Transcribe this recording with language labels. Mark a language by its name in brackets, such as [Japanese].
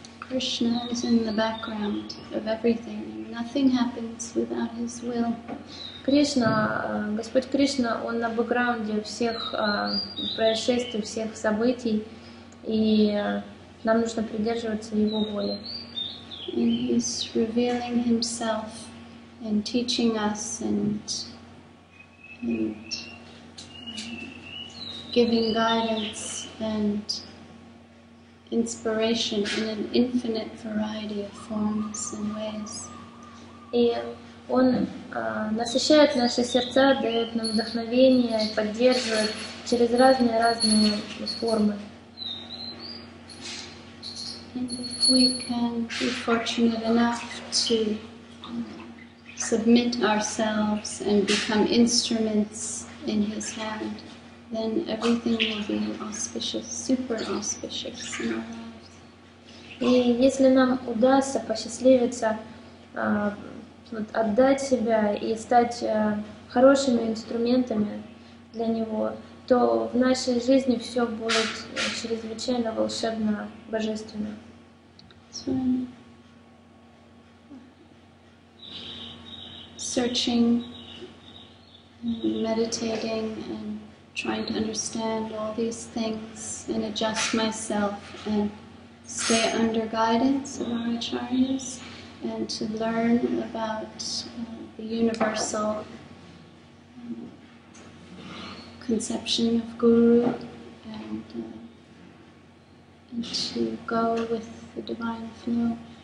[English] Krishna is in the background of everything. Nothing happens without his will. [Russian] Кришна, Господь Кришна, Он на бэкграунде всех происшествий, всех событий, и нам нужно придерживаться Его воли. [English] And He's revealing Himself and teaching us and giving guidance and inspiration in an infinite variety of forms and ways. [Russian] И Он насыщает наши сердца, дает нам вдохновение, поддерживает через разные формы. [English] And if we can be fortunate enough to submit ourselves and become instruments in His hand, then everything will be auspicious, super auspicious in our lives. [Russian] И если нам удастся посчастливиться вот отдать себя и стать хорошими инструментами для Него, то в нашей жизни все будет чрезвычайно волшебно, божественно. [English] Searching, meditating, and trying to understand all these things and adjust myself and stay under guidance of our acharyas. And to learn about the universal conception of Guru, and to go with the divine flow.